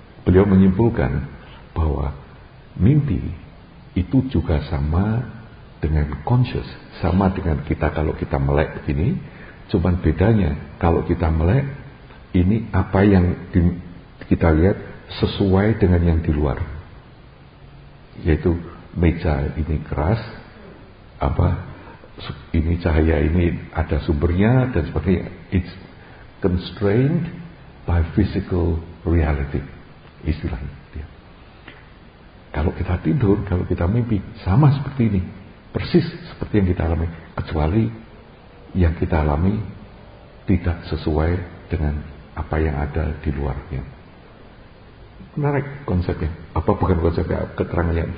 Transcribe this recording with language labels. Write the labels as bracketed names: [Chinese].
[Indonesian] beliau menyimpulkan bahwa mimpi itu juga sama dengan conscious, sama dengan kita kalau kita melek begini, cuman bedanya kalau kita melek ini apa yang kita lihat sesuai dengan yang di luar, yaitu meja ini keras, apa ini cahaya ini ada sumbernya dan sebagainya. [English] It's constrained by physical reality, [Indonesian] istilahnya. Ya. Kalau kita tidur, kalau kita mimpi, sama seperti ini, persis seperti yang kita alami, kecuali yang kita alami tidak sesuai dengan apa yang ada di luarnya. Menarik konsepnya, apa bukan konsepnya, keterangannya.